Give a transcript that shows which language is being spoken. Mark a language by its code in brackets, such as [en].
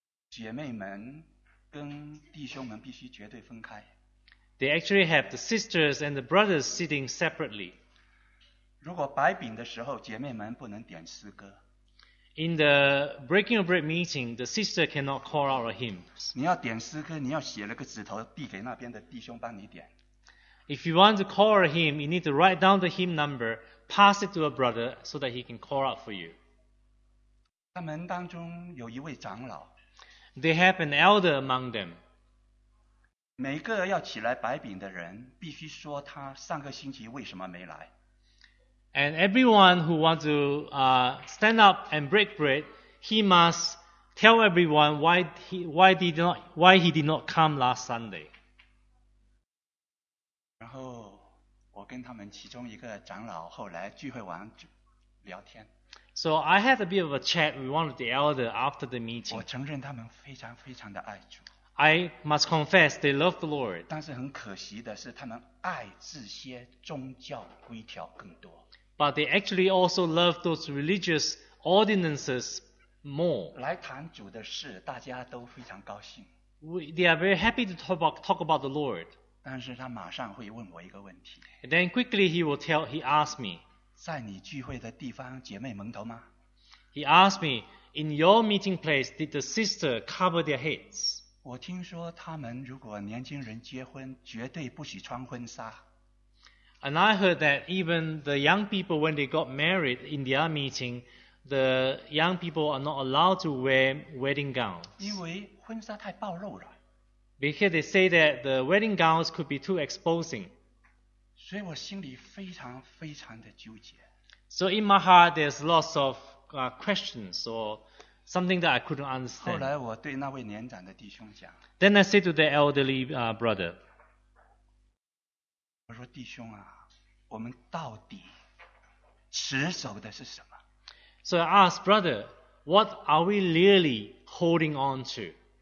[zh] 姐妹们跟弟兄们必须绝对分开。 [en] They actually have the sisters and the brothers sitting separately. [zh] 如果摆饼的时候，姐妹们不能点诗歌。 [en] In the breaking of bread meeting, the sister cannot call out a hymn. [zh] 你要点诗歌，你要写了个纸头递给那边的弟兄帮你点。 [en] If you want to call a hymn, you need to write down the hymn number, pass it to a brother so that he can call out for you. [zh] 他们当中有一位长老。 [en] They have an elder among them. [zh] 每个要起来摆饼的人必须说他上个星期为什么没来。 [en] And everyone who wants to stand up and break bread, he must tell everyone why he did not come last Sunday. [zh] 然后我跟他们其中一个长老后来聚会完聊天。 [en] So I had a bit of a chat with one of the elders after the meeting. [zh] 我承认他们非常非常的爱主。 [en] I must confess they love the Lord. [zh] 但是很可惜的是，他们爱这些宗教规条更多。 [en] But they actually also love those religious ordinances more. [zh] 来谈主的事，大家都非常高兴。 [en] They are very happy to talk about the Lord. [zh] 但是他马上会问我一个问题。 [en] Then quickly he asked me. [zh] 在你聚会的地方，姐妹蒙头吗？ [en] He asked me, in your meeting place, did the sister cover their heads? [zh] 我听说他们如果年轻人结婚，绝对不许穿婚纱。 [en] And I heard that even the young people, when they got married in their meeting, the young people are not allowed to wear wedding gowns. [zh] 因为婚纱太暴露了。 [en] Because they say that the wedding gowns could be too exposing. [zh] 所以我心里非常非常的纠结。 [en] So in my heart, there's lots of questions or something that I couldn't understand. [zh] 后来我对那位年长的弟兄讲。 [en] Then I said to the elderly brother, [zh] 我说弟兄啊，我们到底持守的是什么？ [en] So I asked, brother, what are we really holding on to?